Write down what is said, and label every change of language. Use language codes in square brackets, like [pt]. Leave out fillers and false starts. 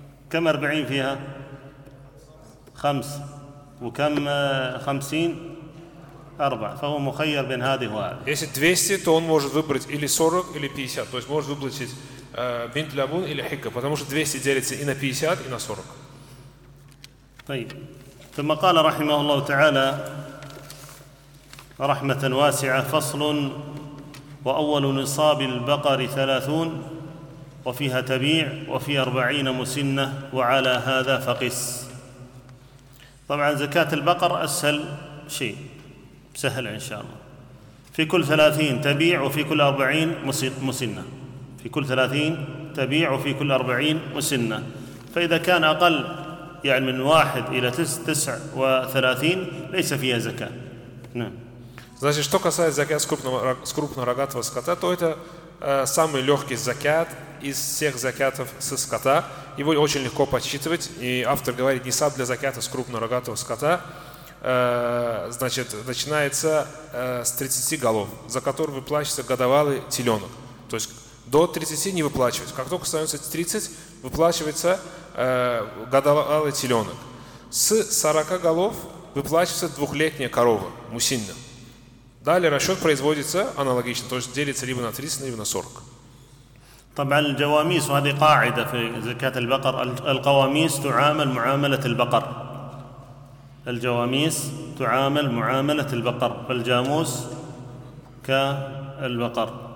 [ar] كم 40 فيها؟ خمس وكم خمسين أربع فهو مخير بين هذه وهذه. [ru] если 200 то он может выбрать или 40 или 50 то есть может выплатить бинт лабун или хикка потому что 200 делится и на 50 и на 40. [ar] طيب ثم قال رحمه الله تعالى رحمة واسعة فصل وأول نصاب البقر 30 وفيها تبيع وفي 40 مسنة وعلى هذا فقس. طبعا زكاة البقر أسهل شيء سهل إن شاء الله. في كل 30 تبيع وفي كل 40 مسنة. في كل 30 تبيع وفي كل 40 مسنة. فإذا كان أقل يعني من 1 إلى 39 ليس فيها زكاة. نعم. [ru] Значит, что касается زكاة крупнорогатого скота, то это самый легкий закят из всех закятов со скота. Его очень легко подсчитывать. И автор говорит, нисаб для закята с крупнорогатого скота значит, начинается с 30 голов, за который выплачивается годовалый теленок. То есть до 30 не выплачивается. Как только становится 30, выплачивается годовалый теленок. С 40 голов выплачивается двухлетняя корова, мусинна. Далее расчет производится аналогично, то есть делится либо на 30, либо на 40. [ar] طبعا الجواميس وهذه قاعدة في زكاة البقر القواميس تعامل معاملة البقر الجواميس تعامل معاملة البقر فالجاموس كالبقر.